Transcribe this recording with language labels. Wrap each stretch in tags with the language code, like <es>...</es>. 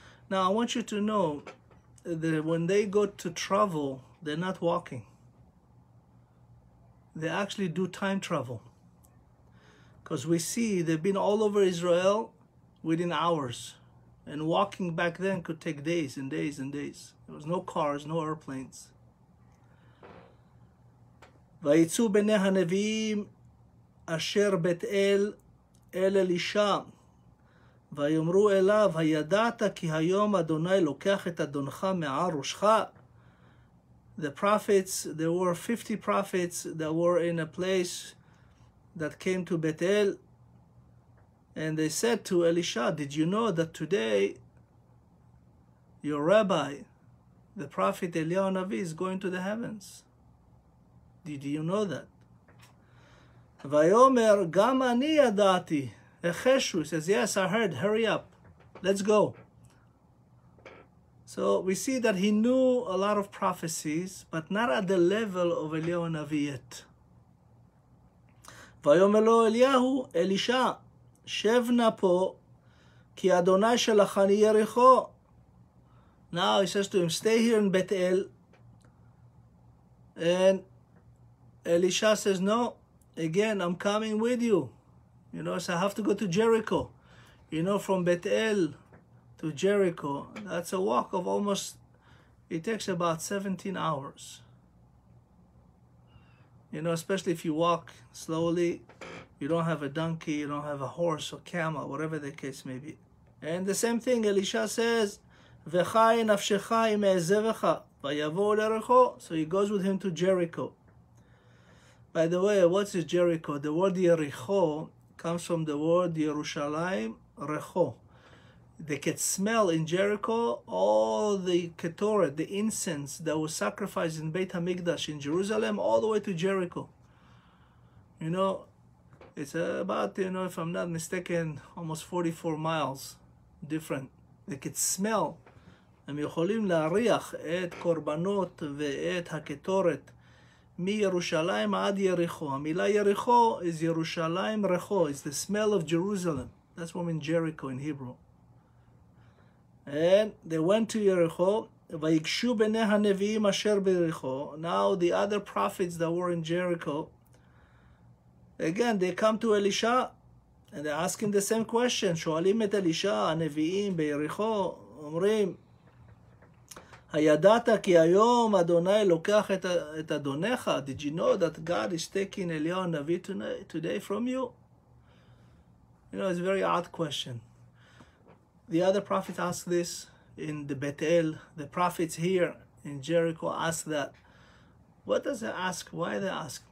<en>Now, I want you to know that when they go to travel, they're not walking. They actually do time travel. Because we see they've been all over Israel within hours. And walking back then could take days and days and days. There was no cars, no airplanes.</en> <he>ויצאו בני הנביאים אשר בית אל אל אלישה, ויאמרו אליו, הידעת כי היום אדוני לוקח את אדונך מער ראשך?</he> <en>The prophets, there were 50 prophets that were in a place that came to Beit El, and they said to Elisha, did you know that today your rabbi, the prophet Eliyahu Navi, is going to the heavens? Did you know that?</en> <he>ויאמר, גם אני ידעתי.</he> <en>Echeshu says, yes, I heard, hurry up, let's go. So we see that he knew a lot of prophecies, but not at the level of Eliyahu Navi yet.</en> <he>ויאמר לו אליהו, אלישע, שב נא פה, כי אדוני שלחני יריחו.</he> <en>Now he says to him, stay here in Beit El. And אלישע says, no, again, I'm coming with you. You know, so I have to go to Jericho. You know, from Beit El to Jericho, that's a walk of almost, it takes about 17 hours. You know, especially if you walk slowly, you don't have a donkey, you don't have a horse or camel, whatever the case may be. And the same thing, Elisha says,</en> <he>וחי נפשך אם אעזבך, ויבוא לרחו.</he> <en>So he goes with him to Jericho. By the way, what is Jericho? The word Yericho comes from the word Yerushalayim, Recho. They could smell in Jericho all the ketoret, the incense that was sacrificed in Beit HaMikdash in Jerusalem, all the way to Jericho. You know, it's about, you know, if I'm not mistaken, almost 44 miles different. They could smell.</en> <he>הם יכולים להריח את קורבנות ואת הקטורת מירושלים עד יריחו. המילה יריחו</he> <en>is</en> <he>ירושלים רחו.</he> <en>It's the smell of Jerusalem. That's what I mean Jericho in Hebrew. And they went to יריחו,</en> <he>ויגשו בני הנביאים אשר ביריחו.</he> <en>Now the other prophets that were in Jericho, again, they come to אלישע, and they ask him the same question.</en> <he>שואלים את אלישע, הנביאים ביריחו, אומרים, הידעת כי היום אדוני לוקח את אדונך?</he> <en>Did you know that God is taking Eliyahu Navi today from you? You know, it's a very odd question. The other prophets ask this in the Beit El. The prophets here in Jericho ask that. What does it ask? Why they ask?</en>